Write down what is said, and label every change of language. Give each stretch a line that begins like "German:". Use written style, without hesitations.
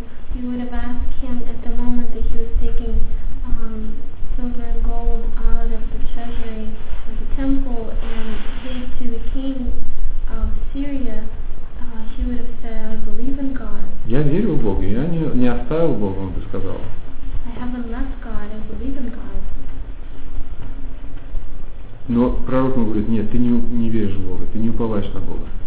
English: If you would have asked him at the moment that he was taking silver and gold out of the treasury of the temple and gave to the king of Syria, he would have said, I believe in God.
Russian: Я верю в Бога, я не оставил Бога, он бы сказал.
English: I haven't left God, I believe in God.
Russian: Но пророк ему говорит, нет, ты не веришь в Бога, ты не уповаешь на Бога.